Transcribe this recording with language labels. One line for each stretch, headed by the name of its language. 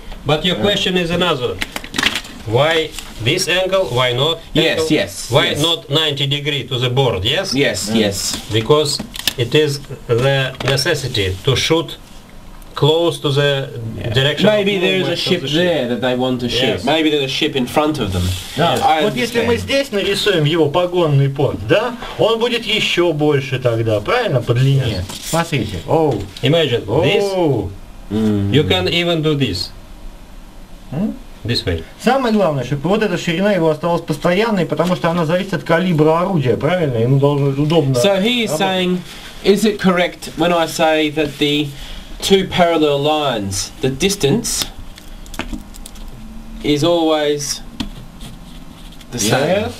English: But your question is another. Why this angle? Why not? Angle? Yes. Why not 90 degrees to the board? Yes. Yes. Because it is the necessity to shoot close to the direction. Maybe there is a ship there that they want to ship. Yes. Maybe there's a ship in front of them. Yes.
Russian: Вот если мы здесь нарисуем его погонный порт, да, он будет еще больше тогда, правильно, по длине. Смотрите.
English: Imagine this Mm-hmm. You can even do this. This way.
Russian: Самое главное, чтобы вот эта ширина его осталась постоянной, потому что она зависит от калибра орудия, правильно? Ему должно быть удобно.
English: So he is saying, is it correct when I say that the two parallel lines, the distance is always the same?